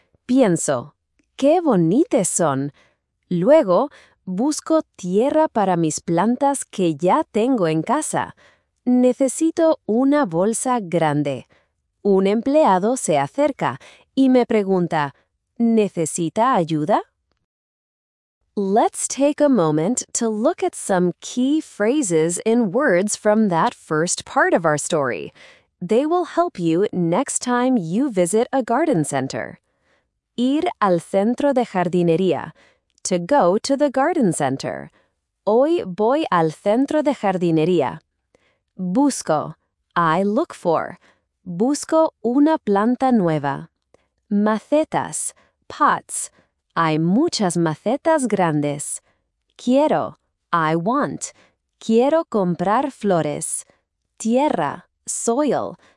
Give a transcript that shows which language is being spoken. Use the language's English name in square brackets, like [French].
[Spanish] Pienso, ¡qué bonitas son! Luego, busco tierra para mis plantas que ya tengo en casa. Necesito una bolsa grande. Un empleado se acerca y me pregunta, ¿necesita ayuda? [English] Let's take a moment to look at some key phrases and words from that first part of our story. They will help you next time you visit a garden center. [Spanish] Ir al centro de jardinería. [English] To go to the garden center. [Spanish] Hoy voy al centro de jardinería. Busco. [English] I look for. [Spanish] Busco una planta nueva. Macetas. [English] Pots. [Spanish] Hay muchas macetas grandes. Quiero. [English] I want. [Spanish] Quiero comprar flores. Tierra. Soil.